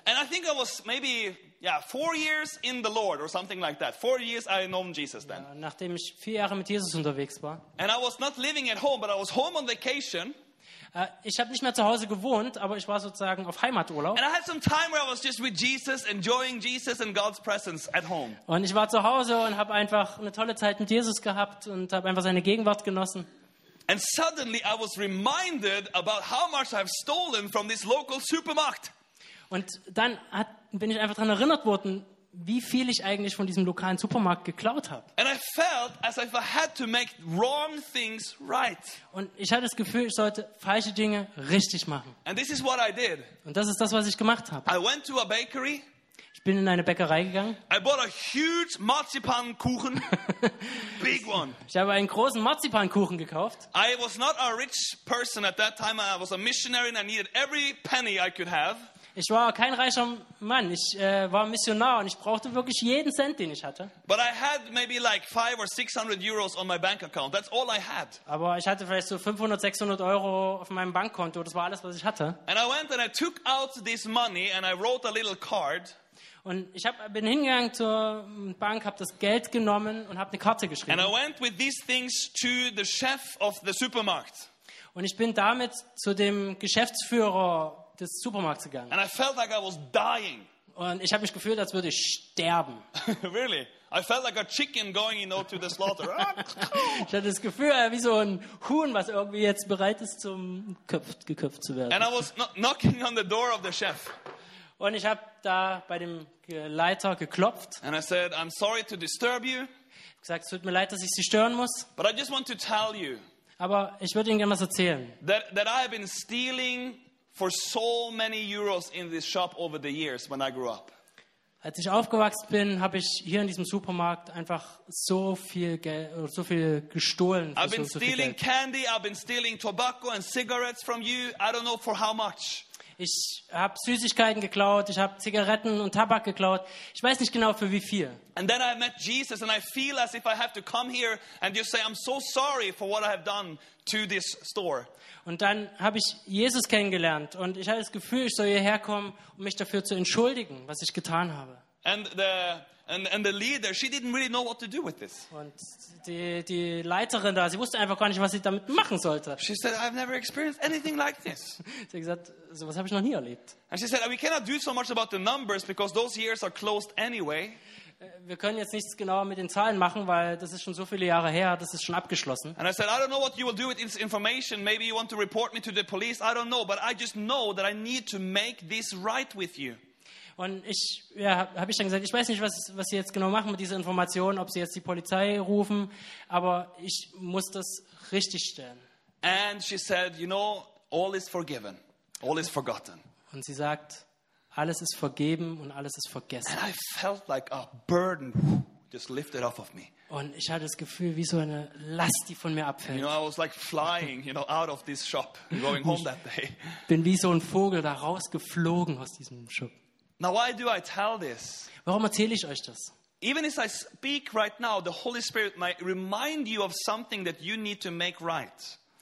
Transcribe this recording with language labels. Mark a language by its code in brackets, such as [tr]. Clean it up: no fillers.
[en] And I think I was maybe, yeah, 4 years in the Lord or something like that. 4 years I known Jesus then. [de] Nachdem ich 4 Jahre mit Jesus unterwegs war. [en] And I was not living at home, but I was home on vacation. [de] Ich habe nicht mehr zu Hause gewohnt, aber ich war sozusagen auf Heimaturlaub. [en] And I had some time where I was just with Jesus, enjoying Jesus and God's presence at home. [de] Und ich war zu Hause und habe einfach eine tolle Zeit mit Jesus gehabt und habe einfach seine Gegenwart genossen. [en] And suddenly I was reminded about how much I've stolen from this local supermarkt. [de] Und dann bin ich einfach daran erinnert worden, wie viel ich eigentlich von diesem lokalen Supermarkt geklaut habe. [en] And I felt as if I had to make wrong things right. [de] Und ich hatte das Gefühl, ich sollte falsche Dinge richtig machen. [en] And this is what I did. [de] Und das ist das, was ich gemacht habe. [en] I went to a bakery. [de] Ich bin in eine Bäckerei gegangen. [en] I bought a huge Marzipankuchen. Big one. [de] Ich habe einen großen Marzipankuchen gekauft. [en] I was not a rich person at that time. I was a missionary and I needed every penny I could have. [de] Ich war kein reicher Mann. Ich war Missionar und ich brauchte wirklich jeden Cent, den ich hatte. [en] But I had maybe like 500 or 600 euros on my bank account. That's all I had. [de] Aber ich hatte vielleicht so 500-600 Euro auf meinem Bankkonto. Das war alles, was ich hatte. [en] And I went and I took out this money and I wrote a little card. [de] Und ich bin hingegangen zur Bank, habe das Geld genommen und habe eine Karte geschrieben. [en] And I went with these things to the chef of the supermarket. [de] Und ich bin damit zu dem Geschäftsführer des Supermarkts gegangen. [en] And I felt like I was dying. [de] Und ich habe mich gefühlt, als würde ich sterben. [en] Really? I felt like a chicken going, you know, to the slaughter. [de] Ich hatte das Gefühl, wie so ein Huhn, was irgendwie jetzt bereit ist, zum geköpft zu werden. [en] And I was knocking on the door of the chef. [de] Und ich habe da bei dem Leiter geklopft. [en] And I said, I'm sorry to disturb you. [de] Ich habe gesagt, es tut mir leid, dass ich Sie stören muss. [en] But I just want to tell you. [de] Aber ich würde Ihnen gerne was erzählen. [en] That I have been stealing for so many euros in this shop over the years when I grew up. [de] Als ich aufgewachsen bin, habe ich hier in diesem Supermarkt einfach so viel Geld, so viel gestohlen. [en] I've been stealing candy, I've been stealing tobacco and cigarettes from you. I don't know for how much. [de] Ich habe Süßigkeiten geklaut, ich habe Zigaretten und Tabak geklaut. Ich weiß nicht genau für wie viel. [en] And then I met Jesus and I feel as if I have to come here and just say I'm so sorry for what I have done to this store. [de] Und dann habe ich Jesus kennengelernt und ich hatte das Gefühl, ich soll hierher kommen, um mich dafür zu entschuldigen, was ich getan habe. [en] And the leader, she didn't really know what to do with this. [de] Und die Leiterin da, sie wusste einfach gar nicht, was sie damit machen sollte. [en] She said, I've never experienced anything like this. [de] Sie hat gesagt, sowas habe ich noch nie erlebt. [en] And she said, we cannot do so much about the numbers because those years are closed anyway. [de] Wir können jetzt nichts genauer mit den Zahlen machen, weil das ist schon so viele Jahre her, das ist schon abgeschlossen. [en] And I said, I don't know what you will do with this information. Maybe you want to report me to the police. I don't know, but I just know that I need to make this right with you. [de] Und ich, ja, habe ich dann gesagt, ich weiß nicht, was Sie jetzt genau machen mit dieser Information, ob Sie jetzt die Polizei rufen, aber ich muss das richtigstellen. [en] And she said, you know, all is forgiven, all is forgotten. [de] Und sie sagt, alles ist vergeben und alles ist vergessen. [en] And I felt like a burden just lifted off of me. [de] Und ich hatte das Gefühl, wie so eine Last, die von mir abfällt. [en] You know, I was like flying, you know, out of this shop, going home that day. [de] Bin wie so ein Vogel da rausgeflogen aus diesem Shop. [en] Now, why do I tell this? [de] Warum erzähle ich euch das? [en] Even as I speak right now, the Holy Spirit might remind you of something that you need to make right.